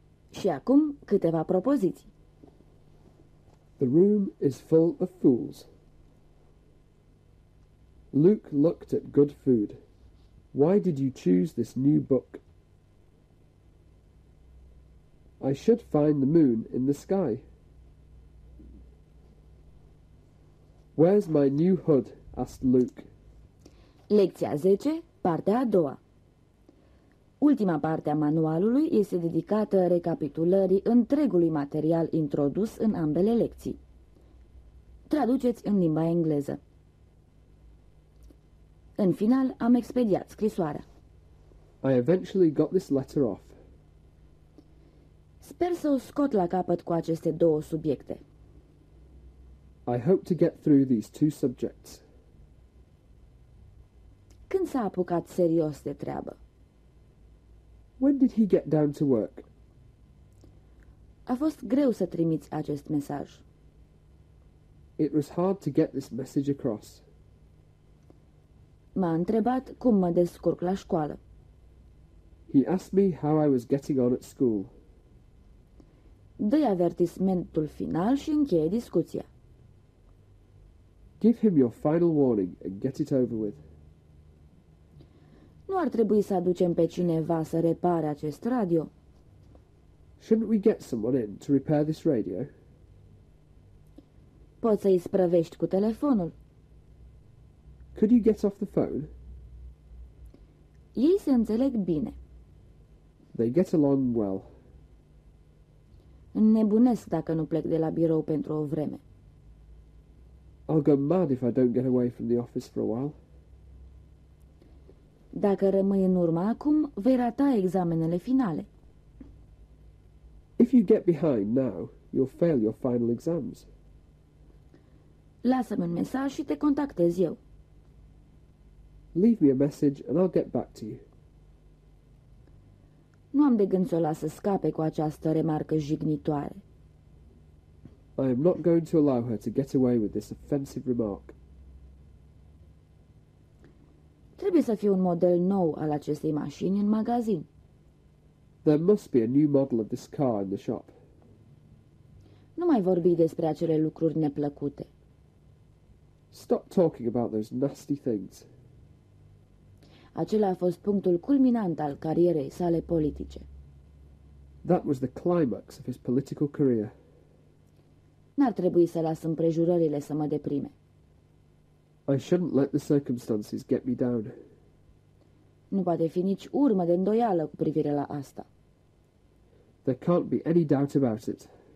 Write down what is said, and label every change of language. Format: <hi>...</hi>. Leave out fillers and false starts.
<ro>Și acum câteva propoziții.</ro> <en>The room is full of fools. Luke looked at good food. Why did you choose this new book? I should find the moon in the sky. Where's my new hood? Asked Luke.</en> <ro>Lecția 10, partea a doua. Ultima parte a manualului este dedicată recapitulării întregului material introdus în ambele lecții. Traduceți în limba engleză. În final, am expediat scrisoarea.</ro> <en>I eventually got this letter off.</en> <ro>Sper să o scot la capăt cu aceste două subiecte.</ro> <en>I hope to get through these two subjects.</en> <ro>Când s-a apucat serios de treabă?</ro> <en>When did he get down to work?</en> <ro>A fost greu să trimiți acest mesaj.</ro> <en>It was hard to get this message across.</en> <ro>M-a întrebat cum mă descurc la școală.</ro> <en>He asked me how I was getting on at school.</en> <ro>Dă-i avertismentul final și încheie discuția.</ro> <en>Give him your final warning and get it over with.</en> <ro>Nu ar trebui să aducem pe cineva să repare acest radio.</ro> <en>Shouldn't we get someone in to repair this radio?</en> <ro>Poți să îi sprăvești cu telefonul.</ro> <en>Could you get off the phone?</en> <ro>Ei se înțeleg bine.</ro> <en>They get along well.</en> <ro>Înnebunesc dacă nu plec de la birou pentru o vreme.</ro> <en>I'll go mad if I don't get away from the office for a while.</en> <ro>Dacă rămâi în urmă acum, vei rata examenele finale.</ro> <en>If you get behind now, you'll fail your final exams.</en> <ro>Lasă-mi un mesaj și te contactez eu.</ro> <en>Leave me a message and I'll get back to you.</en> <ro>Nu am de gând să o las să scape cu această remarcă jignitoare.</ro> <en>I am not going to allow her to get away with this offensive remark.</en> <ro>Trebuie să fie un model nou al acestei mașini în magazin.</ro> <en>There must be a new model of this car in the shop.</en> <ro>Nu mai vorbi despre acele lucruri neplăcute.</ro> <en>Stop talking about those nasty things.</en> <ro>Acela a fost punctul culminant al carierei sale politice.</ro> <en>That was the climax of his political career.</en> <ro>N-ar trebui să las împrejurările să mă deprime.</ro> <en>I shouldn't let the circumstances get me down.</en> <ro>Nu poate fi nici urmă de îndoială cu privire la asta.</ro> <en>There can't be any doubt about it.</en>